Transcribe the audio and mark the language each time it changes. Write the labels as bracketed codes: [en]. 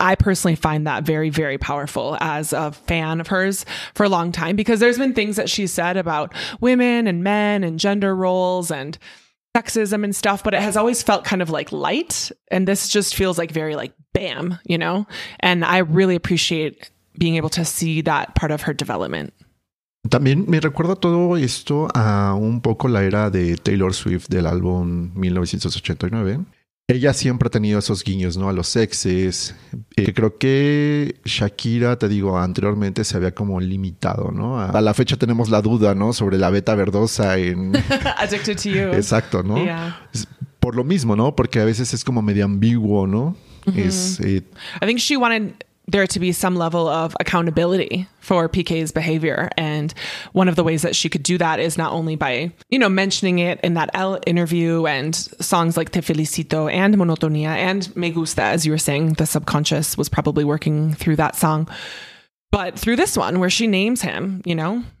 [en] I personally find that very, very powerful as a fan of hers for a long time, because there's been things that she said about women and men and gender roles and sexism and stuff, but it has always felt kind of like light. And this just feels like very like bam, you know? And I really appreciate being able to see that part of her development. [es] También me recuerda todo esto a un poco la era de Taylor Swift del álbum 1989. Ella siempre ha tenido esos guiños, ¿no? A los sexes. Creo que Shakira, te digo, anteriormente se había como limitado, ¿no? A la fecha tenemos la duda, ¿no? Sobre la beta verdosa en... [en] Addicted to You. [es] Exacto, ¿no? [en] Yeah. [es] Por lo mismo, ¿no? Porque a veces es como medio ambiguo, ¿no? Mm-hmm. [en] I think she wanted there to be some level of accountability for PK's behavior. And one of the ways that she could do that is not only by, you know, mentioning it in that Elle interview and songs like Te Felicito and Monotonía and Me Gusta, as you were saying, the subconscious was probably working through that song, but through this one where she names him, you know?